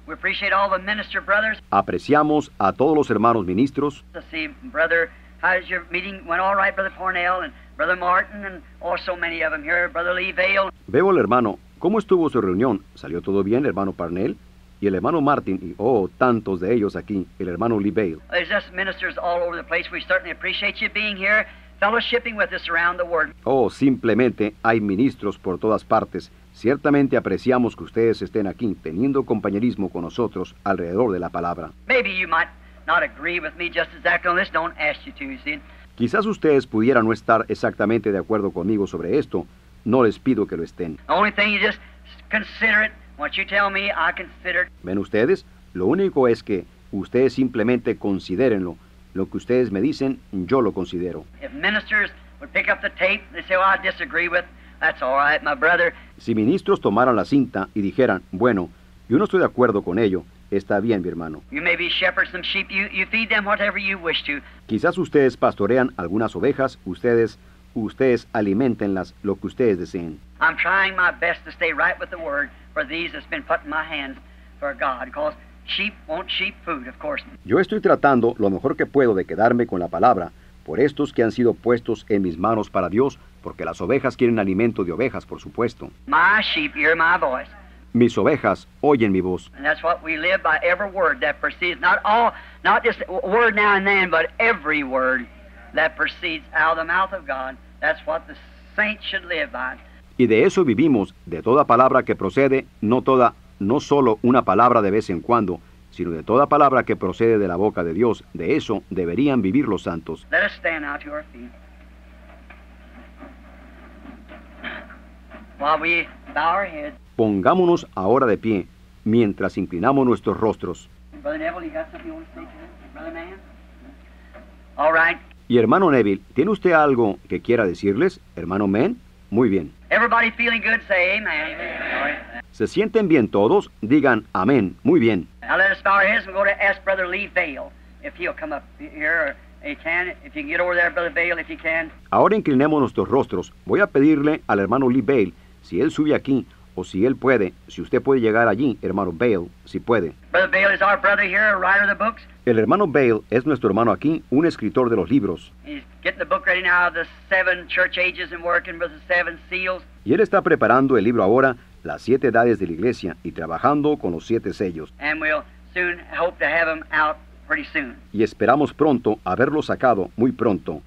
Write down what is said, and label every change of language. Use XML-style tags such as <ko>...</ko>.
<en>We appreciate all the minister brothers.</en> <es>Apreciamos a todos los hermanos ministros.</es> <en>To see brother, how's your meeting? Went all right, Brother Cornell and Brother Martin and also many of them here, Brother Lee Vale.</en> <es>Veo al hermano. ¿Cómo estuvo su reunión? ¿Salió todo bien, hermano Parnell? Y el hermano Martin, y oh, tantos de ellos aquí, el hermano Lee Bale.</es> <en>There's just ministers all over the place. We certainly appreciate you being here, fellowshipping with us around the world.</en> <es>Oh, simplemente hay ministros por todas partes. Ciertamente apreciamos que ustedes estén aquí, teniendo compañerismo con nosotros alrededor de la palabra.</es> <en>Maybe you might not agree with me just exactly on this. Don't ask you to, you see.</en> <es>Quizás ustedes pudieran no estar exactamente de acuerdo conmigo sobre esto. No les pido que lo estén.</es> <en>The only thing you just consider it. What you tell me, I consider.</en> <es>¿Ven ustedes? Lo único es que ustedes simplemente considérenlo. Lo que ustedes me dicen, yo lo considero.</es> <en>If ministers would pick up the tape, they say, well, I disagree with, that's all right, my brother.</en> <es>Si ministros tomaran la cinta y dijeran, bueno, yo no estoy de acuerdo con ello, está bien, mi hermano.</es> <en>You may be shepherd some sheep, you feed them whatever you wish to.</en> <es>Quizás ustedes pastorean algunas ovejas, ustedes alimentenlas lo que ustedes deseen.</es> <en>I'm trying my best to stay right with the word. For these that's been put in my hands for God, because sheep want sheep food, of course.</en> <es>Yo estoy tratando lo mejor que puedo de quedarme con la palabra por estos que han sido puestos en mis manos para Dios, porque las ovejas quieren alimento de ovejas, por supuesto.</es> <en>My sheep hear my voice.</en> <es>Mis ovejas oyen mi voz.</es> <en>And that's what we live by, every word that proceeds, not just a word now and then, but every word that proceeds out of the mouth of God. That's what the saints should live by.</en> <es>Y de eso vivimos, de toda palabra que procede, no solo una palabra de vez en cuando, sino de toda palabra que procede de la boca de Dios, de eso deberían vivir los santos.</es> <en>Let us stand out to our feet. While we bow our heads.</en> <es>Pongámonos ahora de pie, mientras inclinamos nuestros rostros.</es> <en>Brother Neville, you got something you want to say to them? All</en> <es>right. Y hermano Neville, ¿tiene usted algo que quiera decirles, hermano Mann? Muy bien.</es> <en>Everybody feeling good, say amen. Amen.</en> <es>¿Se sienten bien todos? Digan amén. Muy bien.</es> <en>Now let us bow our heads and go to ask Brother Lee Vale if he'll come up here or he can. If you can get over there, Brother Vale, if you can.</en> <es>Ahora inclinemos nuestros rostros. Voy a pedirle al hermano Lee Vale si él sube aquí o si él puede. Si usted puede llegar allí, hermano Vale, si puede.</es> <en>Brother Vale is our brother here, a writer of the books.</en> <es>El hermano Vale es nuestro hermano aquí, un escritor de los libros.</es> <en>He's getting the book ready now, the seven church ages and working with the seven seals.</en> <es>Y él está preparando el libro ahora, las siete edades de la iglesia, y trabajando con los siete sellos.</es> <en>And we'll soon hope to have him out pretty soon.</en> <es>Y esperamos pronto haberlo sacado muy pronto.</es>